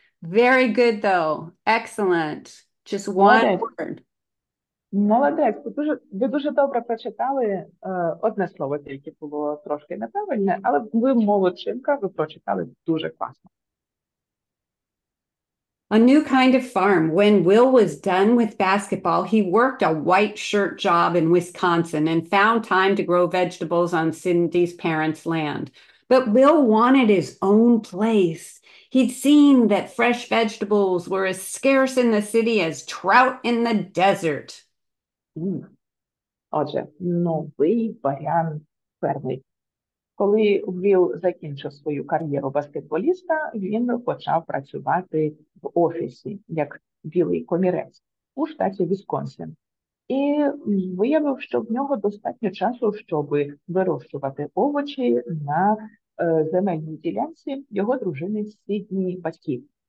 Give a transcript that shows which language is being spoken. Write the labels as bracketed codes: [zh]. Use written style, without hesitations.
[en] Very good, though. Excellent. Just one word. [uk] Молодець, ви дуже добре прочитали. Одне слово тільки було трошки неправильне, але ви молодчинка, ви прочитали дуже класно. [en] A new kind of farm. When Will was done with basketball, he worked a white shirt job in Wisconsin and found time to grow vegetables on Cindy's parents' land. But Will wanted his own place. He'd seen that fresh vegetables were as scarce in the city as trout in the desert. [uk] Отже, новий варіант ферми. Коли Вілл закінчив свою кар'єру баскетболіста, він почав працювати в офісі як білий комірець у штаті Вісконсин. І виявив, що в нього достатньо часу, щоб вирощувати овочі на земельній ділянці його дружини Сідні батьків.